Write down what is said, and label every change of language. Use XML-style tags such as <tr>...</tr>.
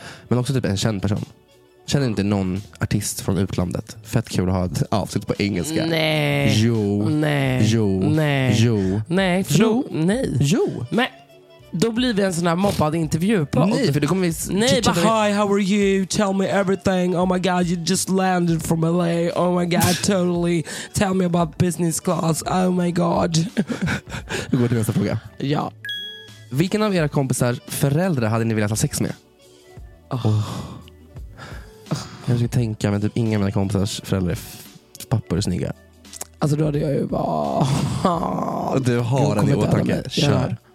<sv>Men också typ en känd person. Känner inte någon artist från utlandet. Fett kul att ha ett avsnitt på engelska. Nej. Jo. Nej. Jo. Nej. Jo. Nej. Jo. Nej. Jo. Men då blir vi en sån här mobbad intervju på. Nej, för då kommer vi. Nej, bara</sv> <en>hi, how are you? Tell me everything. Oh my god, you just landed from LA. Oh my god, totally. Tell me about business class. Oh my god.</en> <sv>Vi går till nästa fråga. Ja. Vilken av era kompisar föräldrar hade ni velat ha sex med? Jag försöker tänka, men typ inga av mina kompisars föräldrar är pappor och snygga. Alltså då hade jag ju bara... Du har den i åtanke. Kör.</sv>